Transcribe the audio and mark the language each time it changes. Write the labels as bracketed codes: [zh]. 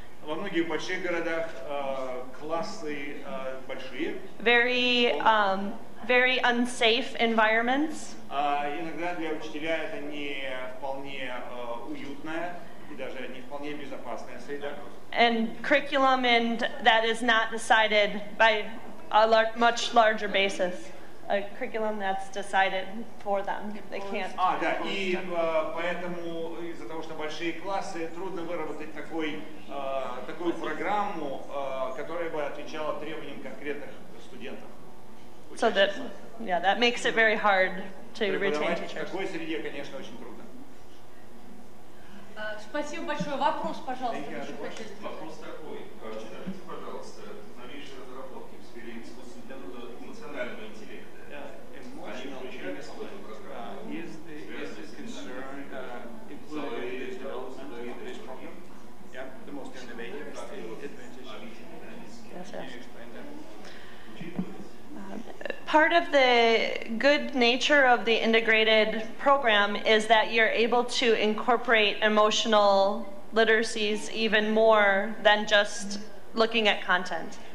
[ru] Во многих больших городах классы большие. [en] Very very unsafe environments. [ru] Иногда для учителя это не вполне уютная и даже не вполне безопасная среда. [en] And curriculum and that is not decided by a much larger basis. A curriculum that's decided for them. They can't. [ru] Да, и поэтому из-за того, что большие классы, трудно выработать такую программу, которая бы отвечала требованиям конкретных студентов. [en] So that, yeah, that makes it very hard to retain teachers. [ru] В такой среде, конечно, очень трудно. Спасибо большое. Вопрос, пожалуйста. Вопрос такой. Скажите, пожалуйста, новейшие разработки в сфере искусственного эмоционального интеллекта. [en] Is this concern included in the development of the ISRO program? Yeah, the most innovative advantage. Yes, can you explain that? Part of the good nature of the integrated program is that you're able to incorporate emotional literacies even more than just looking at content.